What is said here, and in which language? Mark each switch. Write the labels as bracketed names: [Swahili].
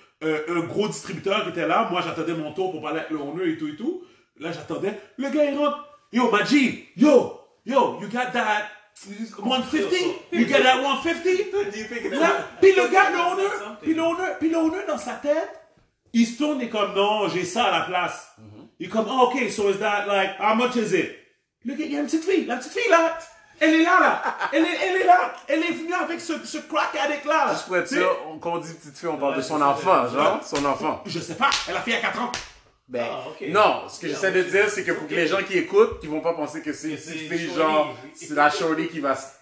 [French] Un gros distributeur qui était là. Moi, j'attendais mon tour pour parler avec le owner et tout et tout. Là, j'attendais. Le gars, il rentre. [English] Yo, Maji, yo, yo, you got that 150? You got that 150? [French] Là, puis le gars, le owner, dans sa tête, il se tourne et comme, non, j'ai ça à la place. [English] You come, oh, okay, so is that like, how much is it? [French] Look, il y a une petite fille, la petite fille là, elle est là, là. Elle est là, elle est venue avec ce crack addict là. Je pourrais être sûr, quand on dit petite fille, on parle de son enfant, genre, son enfant. Je sais pas, elle a fille à 4 ans. Ben, ah, okay. Non, ce que j'essaie de dire, c'est que pour les gens qui écoutent, qui vont pas penser que c'est une petite fille, genre, c'est la shorty qui va.